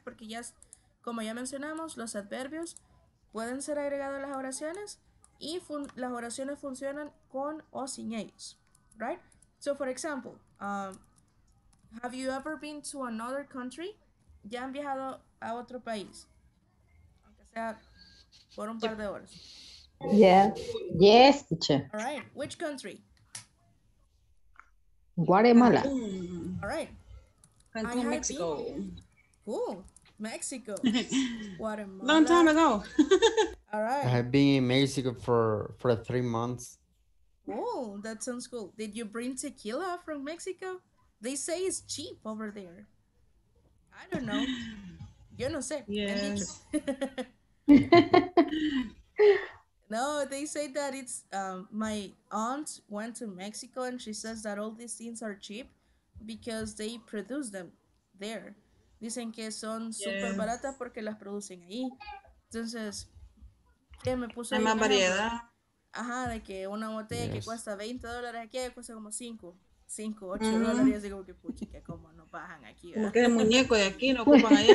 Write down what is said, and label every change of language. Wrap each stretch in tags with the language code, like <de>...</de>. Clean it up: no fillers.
<es>Porque ya, como ya mencionamos, los adverbios pueden ser agregados a las oraciones y las oraciones funcionan con o sin ellos, right?</es> <en>So, for example, have you ever been to another country?</en> <es>¿Ya han viajado a otro país? Aunque sea por un par de horas.</es> <en>Yeah. Yes, teacher. All right. Which country? Guatemala. All right. Cancun, Mexico. Cool. Mexico. Guatemala. Long time ago. All right. I have been in Mexico for 3 months. Oh, that sounds cool. Did you bring tequila from Mexico? They say it's cheap over there. I don't know.</en> <es>Yo no sé.</es> <en>Yes. No, they say that it's my aunt went to Mexico and she says that all these things are cheap because they produce them there.</en> <es>Dicen que son super baratas porque las producen ahí. Entonces, ¿qué me puso? Hay más variedad. Ajá, de que una botella que cuesta $20 aquí cuesta como 5, 8 dólares. Digo que pucha, que como no bajan aquí. Como que el muñeco de aquí no ocupan allá.</es>